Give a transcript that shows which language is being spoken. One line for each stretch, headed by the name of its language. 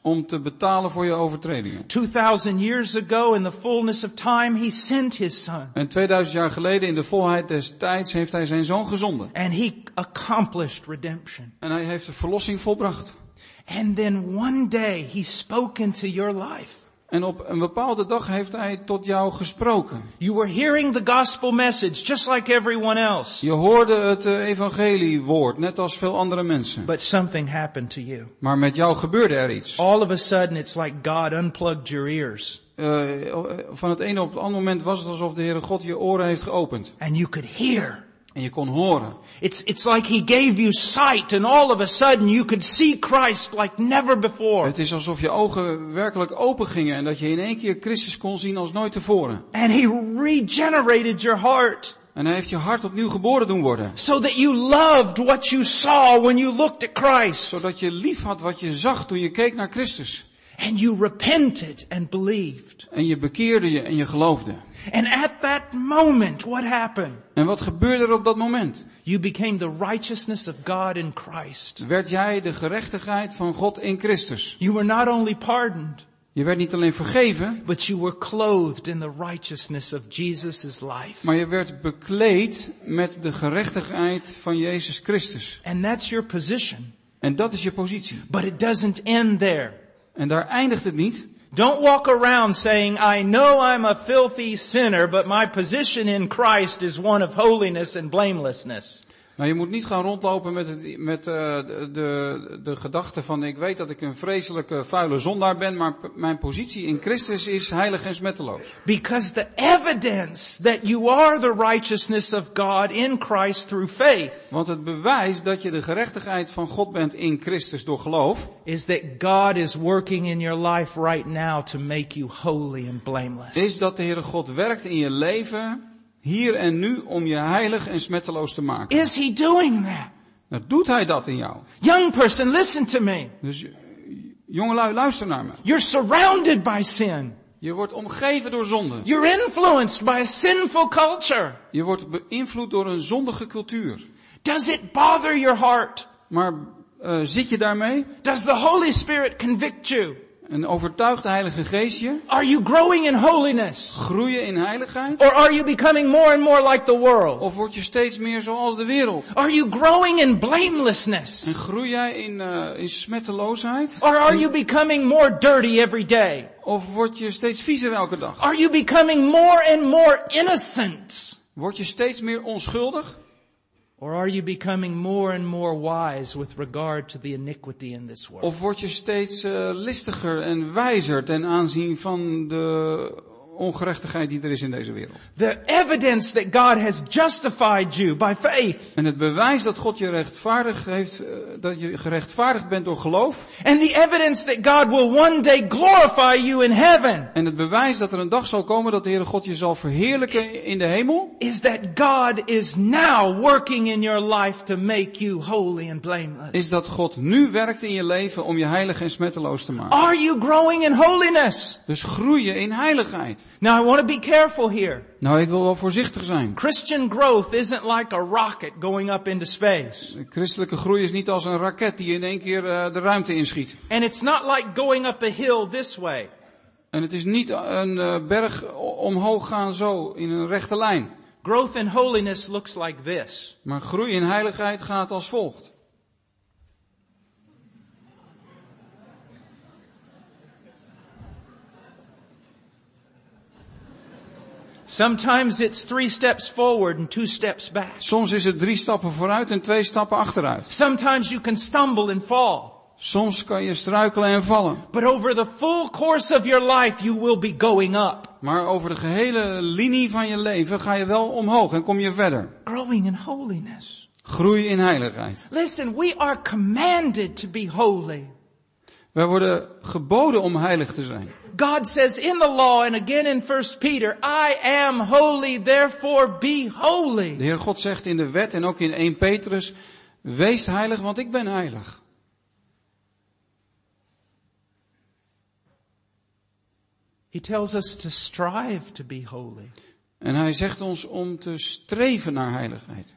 Dutch: Om te betalen voor je overtredingen.
English: 2000 years ago in the fullness of time he sent his son.
Dutch: En 2000 jaar geleden in de volheid des tijds heeft hij zijn zoon gezonden.
English: And he accomplished redemption.
Dutch: En hij heeft de verlossing volbracht.
English: And then one day he spoke into your life.
Dutch: En op een bepaalde dag heeft hij tot jou gesproken.
English: You were hearing the gospel message just like everyone else.
Dutch: Je hoorde het evangeliewoord net als veel andere mensen.
English: But something happened to you.
Dutch: Maar met jou gebeurde er iets.
English: All of a sudden it's like God unplugged your ears.
Dutch: Van het ene op het andere moment was het alsof de Heere God je oren heeft geopend.
English: And you could hear.
Dutch: En je kon horen.
English: It's like he gave you sight and all of a sudden you could see Christ like never before.
Dutch: Het is alsof je ogen werkelijk open gingen en dat je in één keer Christus kon zien als nooit tevoren.
English: And he regenerated your heart.
Dutch: En hij heeft je hart opnieuw geboren doen worden.
English: So that you loved what you saw when you looked at Christ.
Dutch: Zodat je lief had wat je zag toen je keek naar Christus.
English: And you repented and believed.
Dutch: En je bekeerde je en je geloofde.
English: And at that moment, what happened?
Dutch: En wat gebeurde er op dat moment?
English: You became the righteousness of God in Christ.
Dutch: Werd jij de gerechtigheid van God in Christus?
English: You were not only pardoned.
Dutch: Je werd niet alleen vergeven.
English: But you were clothed in the righteousness of Jesus' life.
Dutch: Maar je werd bekleed met de gerechtigheid van Jezus Christus.
English: And that's your position.
Dutch: En dat is je positie.
English: But it doesn't end there.
Dutch: En daar eindigt het niet.
English: Don't walk around saying, I know I'm a filthy sinner, but my position in Christ is one of holiness and blamelessness.
Dutch: Nou, je moet niet gaan rondlopen met de gedachte van, ik weet dat ik een vreselijke, vuile zondaar ben, maar mijn positie in Christus is heilig en smetteloos.
English: Because the evidence that you are the righteousness of God in Christ through faith.
Dutch: Want het bewijs dat je de gerechtigheid van God bent in Christus door geloof.
English: Is that God is working in your life right now to make you holy and blameless.
Dutch: Is dat de Heere God werkt in je leven. Hier en nu om je heilig en smetteloos te maken.
English: Is he doing that?
Dutch: Nou, doet hij dat in jou?
English: Young person, listen to me.
Dutch: Dus jongelui, luister naar me.
English: You're surrounded by sin.
Dutch: Je wordt omgeven door zonde.
English: You're influenced by a sinful culture.
Dutch: Je wordt beïnvloed door een zondige cultuur.
English: Does it bother your heart?
Dutch: Maar zit je daarmee?
English: Does the Holy Spirit convict you?
Dutch: Een overtuigde Heilige Geest je?
English: Are you growing in holiness?
Dutch: Groei je in heiligheid?
English: Or are you becoming more and more like the world?
Dutch: Of word je steeds meer zoals de wereld?
English: Are you growing in blamelessness?
Dutch: En groei jij in smetteloosheid?
English: Or are you becoming more dirty every day?
Dutch: Of word je steeds viezer elke dag?
English: Are you becoming more and more innocent?
Dutch: Word je steeds meer onschuldig?
English: Or are you becoming more and more wise with regard to the iniquity in this world?
Dutch: Of word je steeds listiger en wijzer ten aanzien van de ongerechtigheid die er is in deze wereld?
English: The evidence that God has justified you by faith.
Dutch: En het bewijs dat God je rechtvaardig heeft, dat je gerechtvaardigd bent door geloof.
English: And the evidence that God will one day glorify you in heaven.
Dutch: En het bewijs dat er een dag zal komen dat de Heere God je zal verheerlijken in de hemel.
English: Is that God is now working in your life to make you holy and blameless.
Dutch: Is dat God nu werkt in je leven om je heilig en smetteloos te maken?
English: Are you growing in holiness?
Dutch: Dus groei je in heiligheid?
English: Now I want to be careful here.
Dutch: Nou, ik wil wel voorzichtig zijn.
English: Christian growth isn't like a rocket going up into space.
Dutch: Christelijke groei is niet als een raket die in één keer de ruimte inschiet.
English: And it's not like going up a hill this way.
Dutch: En het is niet een berg omhoog gaan zo in een rechte lijn.
English: Growth in holiness looks like this.
Dutch: Maar groei in heiligheid gaat als volgt.
English: Sometimes it's 3 steps forward and 2 steps back.
Dutch: Soms is het 3 stappen vooruit en 2 stappen achteruit.
English: Sometimes you can stumble and fall.
Dutch: Soms kan je struikelen en vallen.
English: But over the full course of your life you will be going up.
Dutch: Maar over de gehele linie van je leven ga je wel omhoog en kom je verder.
English: Growing in holiness.
Dutch: Groei in heiligheid.
English: Listen, we are commanded to be holy.
Dutch: Wij worden geboden om heilig te zijn.
English: God says in the law and again in 1 Peter, I am holy, therefore be holy.
Dutch: De Heer God zegt in de wet en ook in 1 Petrus, wees heilig, want ik ben heilig.
English: He tells us to strive to be holy.
Dutch: En hij zegt ons om te streven naar heiligheid.